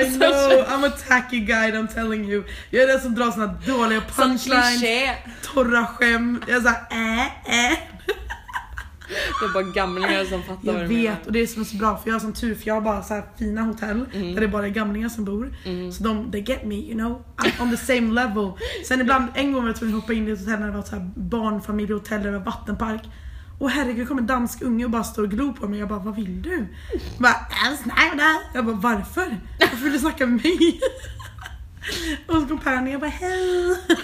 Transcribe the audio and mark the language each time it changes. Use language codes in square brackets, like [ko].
[en] I know. I'm a tacky guy, I'm telling you. [sv] Jag är den som drar såna dåliga punchlines. Torra skämt. Jag är såhär, Det är bara gamlingar som fattar. Jag vet, och det är som är så bra, för jag har som tur, för jag har bara så här fina hotell där det är bara gamlingar som bor. Så de, [en] they get me, you know, on the same level. [sv] Sen ibland, en gång var jag tvungen att hoppa in i ett hotell när det var så här barnfamiljhotell eller vattenpark. Och herregud, kommer en dansk unge och bara står och glor på mig. Jag bara, vad vill du? Jag bara, varför? Varför vill du snacka med mig? Och så kom Pärn, jag bara, hej.